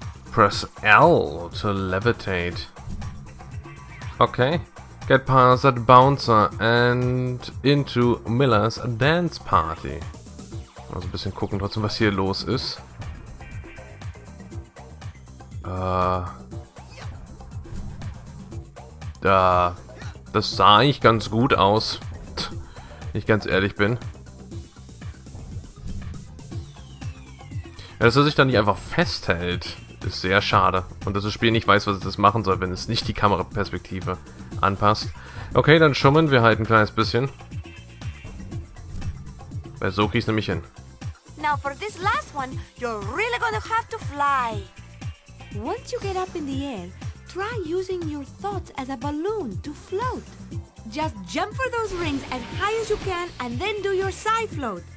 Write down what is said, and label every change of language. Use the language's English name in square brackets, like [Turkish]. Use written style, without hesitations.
[English] Press L to levitate. Okay. Get past that bouncer and into Miller's dance party. [German] Mal so ein bisschen gucken trotzdem, was hier los ist. Das sah eigentlich ganz gut aus. Wenn ich ganz ehrlich bin. Ja, dass er sich da nicht einfach festhält. Ist sehr schade. Und dass das Spiel nicht weiß, was es das machen soll, wenn es nicht die Kameraperspektive anpasst. Okay, dann schummeln wir halt ein kleines bisschen. Weil so krieg ich es nämlich hin. [English] Now for this last one, you're really gonna have to fly. Once you get up in the air, try using your thoughts as a balloon to float. Just jump for those rings as high as you can and then do your side float.